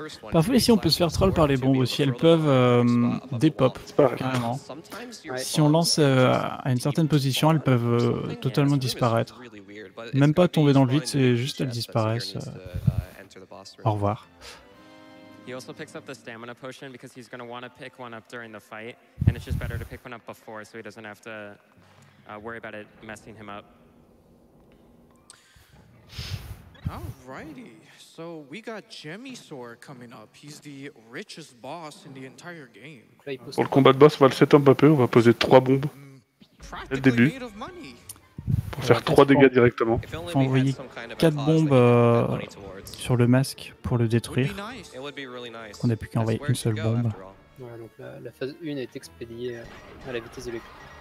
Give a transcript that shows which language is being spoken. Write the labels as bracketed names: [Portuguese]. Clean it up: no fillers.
[French] Parfois ici on peut se faire troll par les bombes aussi, elles peuvent dépop carrément. Si on lance à une certaine position, elles peuvent totalement disparaître. Même pas tomber dans le vide, c'est juste elles disparaissent. Au revoir. [English] He also picks up the stamina potion because he's going to want to pick one up during the fight and it's just better to pick one up before so he doesn't have to worry about it messing him up. Alrighty, so we got Gemisor coming up. He's the richest boss in the entire game. [French] Pour le combat de boss, on va le set up un peu, on va poser 3 bombes dès le début. Pour faire 3 dégâts directement. Il faut envoyer 4 bombes sur le masque pour le détruire. On n'a plus qu'à envoyer une seule bombe. Ouais, donc la phase 1 est expédiée à la vitesse électrique.